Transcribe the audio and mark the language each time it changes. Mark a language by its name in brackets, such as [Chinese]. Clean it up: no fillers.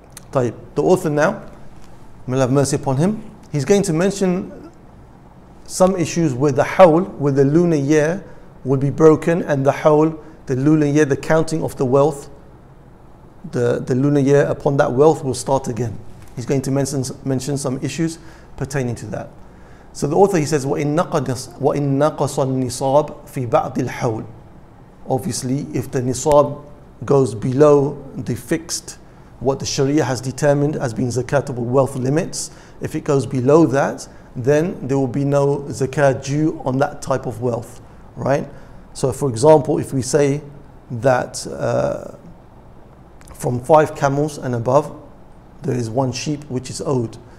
[English] Taib, the author now, may Allah have mercy upon him, he's going to mention some issues where the hawl, where the lunar year will be broken, and the hawl, the lunar year, the counting of the wealth, the lunar year upon that wealth will start again. He's going to mention some issues pertaining to that. [Arabic] So the author, he says, وَإِن نَقَصَ النِّصَابْ فِي بَعْضِ الْحَوْلِ. [English] Obviously, if the nisab goes below the fixed, what the Sharia has determined as being zakatable wealth limits, if it goes below that, then there will be no zakat due on that type of wealth, right? So for example, if we say that from 5 camels and above, there is 1 sheep which is owed.